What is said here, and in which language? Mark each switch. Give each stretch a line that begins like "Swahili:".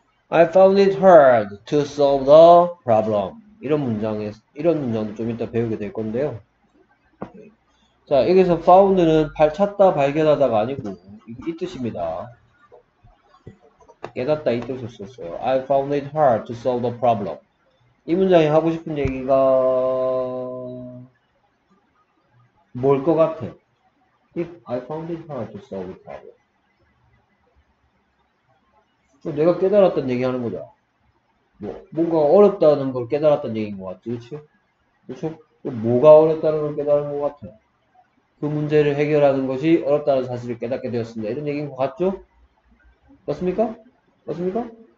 English: I found it hard to solve the problem.
Korean: 이런 문장도 좀 이따 배우게 될 건데요. 자, 여기서 found는 찾다 발견하다가 아니고 이 뜻입니다. 깨닫다 이 뜻을 썼어요.
English: I found it hard to solve the problem.
Korean: 이 문장이 하고 싶은 얘기가 뭘것 같아?
English: If I found it hard to solve the problem.
Korean: 내가 깨달았던 얘기 하는 거죠. 뭐, 뭔가 어렵다는 걸 깨달았던 얘기인 것 같아. 그쵸? 뭐가 어렵다는 걸 깨달은 것 같아. 그 문제를 해결하는 것이 어렵다는 사실을 깨닫게 되었습니다. 이런 얘기인 것 같죠? 맞습니까? 맞습니까?